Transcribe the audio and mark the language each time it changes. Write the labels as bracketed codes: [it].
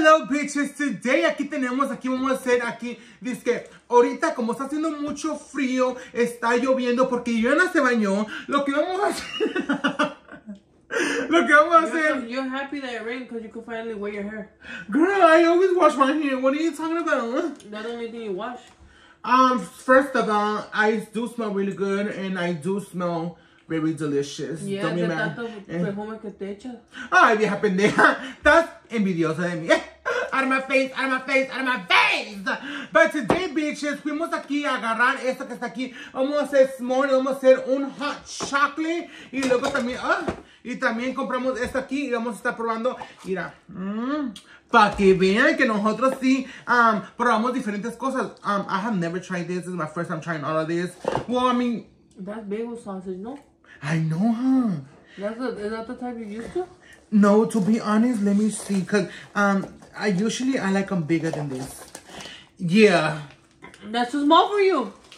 [en] Bitches, today [es] aquí tenemos, aquí vamos a hacer aquí, dice que ahorita como está haciendo mucho frío, está lloviendo porque Joana se bañó, lo que vamos a hacer, [en] You're happy that it rained because you could finally wear your hair. Girl, I always wash my hair, what are you talking about? Not only do you wash. First of all, I do smell really good and I do smell very delicious. Yeah, don't be mad. Perfume [es] que te echa. Ay, vieja pendeja, estás envidiosa de mí. [en] Out of my face. But today, bitches, [es] fuimos aquí a agarrar esto que está aquí. Vamos a hacer s'more, vamos a hacer un hot chocolate. Y luego también, y también compramos esto aquí y vamos a estar probando. Mira, para que vean que nosotros sí probamos diferentes cosas. [en] I have never tried this. This is my first time trying all of this. Well, I mean. That's bagel sausage, no? I know, huh? Is that the type you used to? No, to be honest, let me see. Cause I usually like them bigger than this. Yeah. That's too small for you.